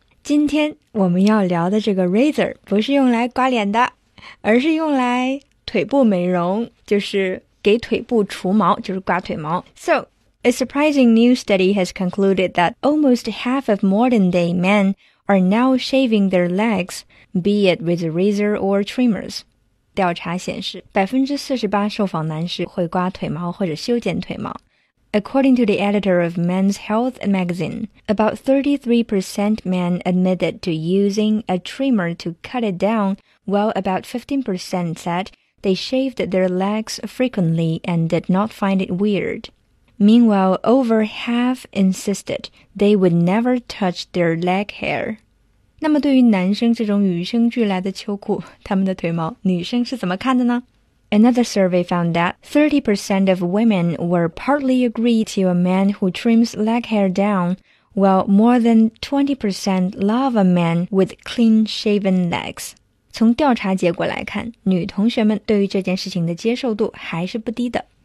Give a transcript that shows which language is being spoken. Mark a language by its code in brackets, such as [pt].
[zh] 今天我们要聊的这个 razor 不是用来刮脸的，而是用来腿部美容，就是给腿部除毛，就是刮腿毛。 [en] So, a surprising new study has concluded that almost half of modern-day men are now shaving their legs, be it with a razor or trimmers. [zh] 调查显示 ,48% 受访男士会刮腿毛或者修剪腿毛。 [en] According to the editor of Men's Health magazine, about 33% men admitted to using a trimmer to cut it down, while about 15% said they shaved their legs frequently and did not find it weird. Meanwhile, over half insisted they would never touch their leg hair. [zh] 那么对于男生这种与生俱来的秋裤，他们的腿毛，女生是怎么看的呢？ [en] Another survey found that 30% of women were partly agree to a man who trims leg hair down, while more than 20% love a man with clean-shaven legs. [zh] 从调查结果来看，女同学们对于这件事情的接受度还是不低的。